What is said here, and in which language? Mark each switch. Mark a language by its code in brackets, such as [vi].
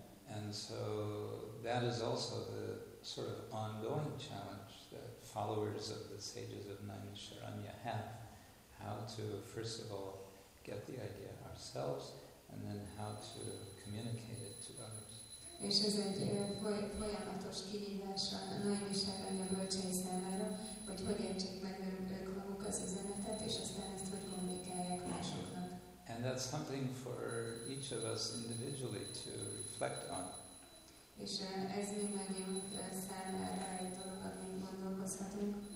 [en] And so that is also the sort of ongoing challenge that followers of the sages of Naimisharanya have. How to, first of all, get the idea ourselves, and then how to communicate it to others. [hu] És ez egy folyamatos kihívás a Naimisharanya bölcsei számára, hogy hogy értsék meg ők maguk az üzenetet, és aztán ezt hogy kommunikálják másoknak. [en] And that's something for each of us individually to reflect on. [hu] És ez mi megyünk számára egy dolog, amit gondolkozhatunk.